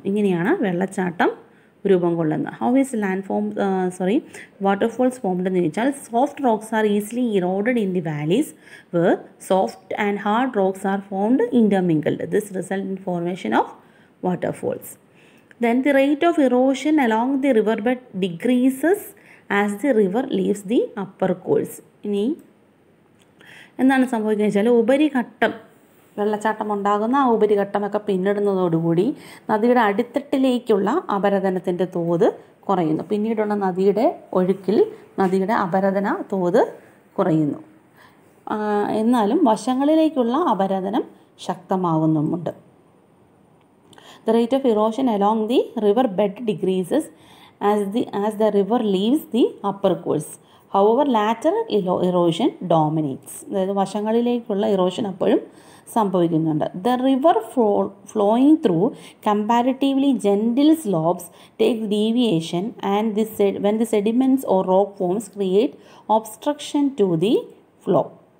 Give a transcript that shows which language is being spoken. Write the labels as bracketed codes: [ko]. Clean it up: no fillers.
[ml] ഇങ്ങനെയാണ് വെള്ളച്ചാട്ടം രൂപം കൊള്ളുന്നത്. [en] how is landform sorry waterfalls formed [ml] എന്ന് ചോദിച്ചാൽ [en] Soft rocks are easily eroded in the valleys where soft and hard rocks are formed intermingled. This result in formation of waterfalls. Then the rate of erosion along the river bed decreases as the river leaves the upper course. [ml] ഇനി എന്താണ് സംഭവിക്കുന്നത് വെച്ചാൽ ഉപരിഘട്ടം വെള്ളച്ചാട്ടം ഉണ്ടാകുന്ന ആ ഉപരിഘട്ടമൊക്കെ പിന്നിടുന്നതോടുകൂടി നദിയുടെ അടിത്തട്ടിലേക്കുള്ള അപരദനത്തിൻ്റെ തോത് കുറയുന്നു. പിന്നീടുള്ള നദിയുടെ ഒഴുക്കിൽ നദിയുടെ അപരദന തോത് കുറയുന്നു. എന്നാലും വശങ്ങളിലേക്കുള്ള അപരദനം ശക്തമാകുന്നുമുണ്ട്. [en] The rate of erosion along the river bed decreases as the river leaves the upper course. However, lateral erosion dominates. [ml] അതായത് വശങ്ങളിലേക്കുള്ള ഇറോഷൻ അപ്പോഴും സംഭവിക്കുന്നുണ്ട്. [en] The river flowing through comparatively gentle slopes take deviation and the said when the sediments or rock forms create obstruction to the flow.